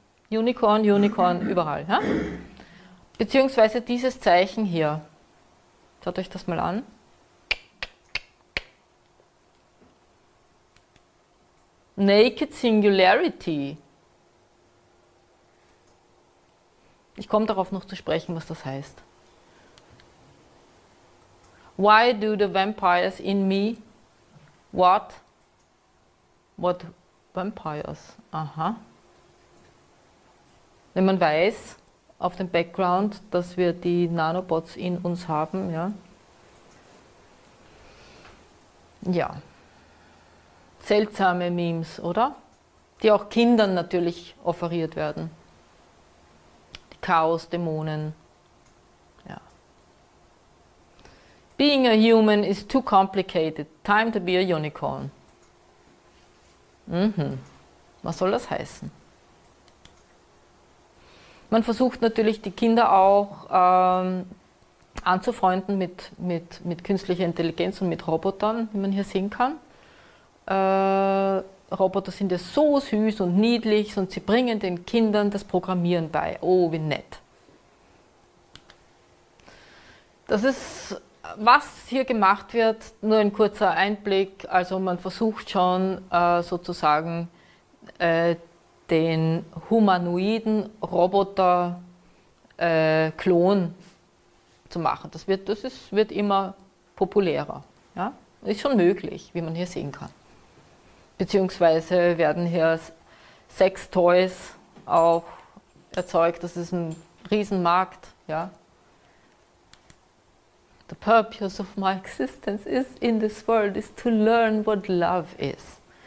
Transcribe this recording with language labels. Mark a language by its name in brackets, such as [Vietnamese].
[German] Unicorn, Unicorn, überall. Ja? Beziehungsweise dieses Zeichen hier. Schaut euch das mal an. [English] Naked Singularity. [German] Ich komme darauf noch zu sprechen, was das heißt. [English] Why do the vampires in me? What? What vampires? Aha. [German] Wenn man weiß auf dem Background, dass wir die Nanobots in uns haben, ja. Ja. Seltsame Memes, oder? Die auch Kindern natürlich offeriert werden. Die Chaosdämonen. [English] Being a human is too complicated. Time to be a unicorn. Mhm. [German] Was soll das heißen? Man versucht natürlich, die Kinder auch anzufreunden mit künstlicher Intelligenz und mit Robotern, wie man hier sehen kann. Roboter sind ja so süß und niedlich und sie bringen den Kindern das Programmieren bei. Oh, wie nett. Das ist, was hier gemacht wird, nur ein kurzer Einblick. Also man versucht schon sozusagen den humanoiden Roboter-Klon zu machen. Das wird immer populärer. Ja? Ist schon möglich, wie man hier sehen kann. Beziehungsweise werden hier Sex-Toys auch erzeugt. Das ist ein Riesenmarkt. Ja? [English] The purpose of my existence is in this world is to learn what love is.